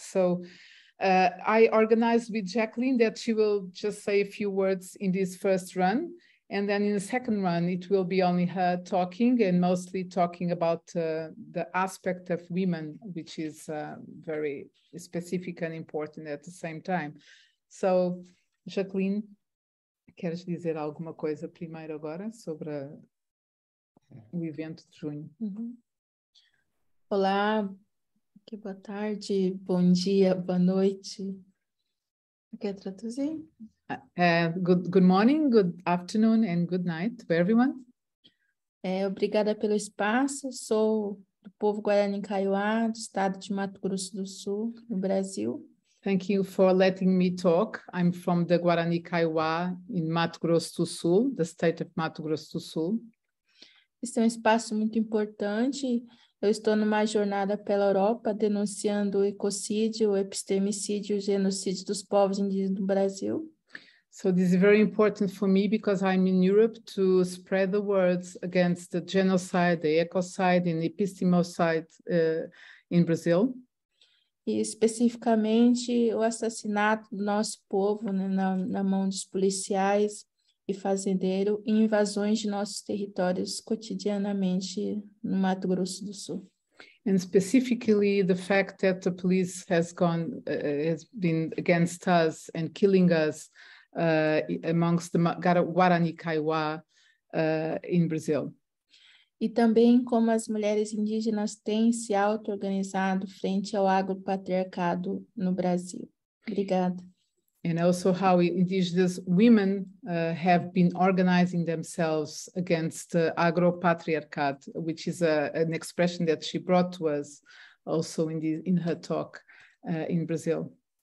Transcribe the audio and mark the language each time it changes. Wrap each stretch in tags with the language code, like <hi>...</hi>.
<en>So I organized with Jacqueline that she will just say a few words in this first run. And then in the second run, it will be only her talking and mostly talking about the aspect of women, which is very specific and important at the same time.</en> <pt>So, Jacqueline, queres dizer alguma coisa primeiro agora sobre o evento de junho? Uhum. Olá, que boa tarde, bom dia, boa noite. Quer traduzir?</pt> <en>Good morning, good afternoon, and good night to everyone.</en> <pt>Obrigada pelo espaço. Sou do povo Guarani Kaiowá, do estado de Mato Grosso do Sul, no Brasil.</pt> <en>Thank you for letting me talk. I'm from the Guarani Kaiowá in Mato Grosso do Sul, the state of Mato Grosso do Sul.</en> <pt>Este é espaço muito importante. Eu estou numa jornada pela Europa denunciando o ecocídio, o epistemicídio, o genocídio dos povos indígenas do Brasil.</pt> <en>So this is very important for me because I'm in Europe to spread the words against the genocide, the ecocide and the epistemicide in Brazil.</en> <pt>E especificamente o assassinato do nosso povo, né, na mão dos policiais e fazendeiro, e invasões de nossos territórios cotidianamente no Mato Grosso do Sul.</pt> <en>And specifically the fact that the police has been against us and killing us amongst the Guarani Kaiowá in Brazil.</en> <pt>E também como as mulheres indígenas têm se auto-organizado frente ao agropatriarcado no Brasil. Obrigada.</pt> <en>And also how indigenous women have been organizing themselves against the agropatriarcat, which is an expression that she brought to us also in her talk in Brazil.</en>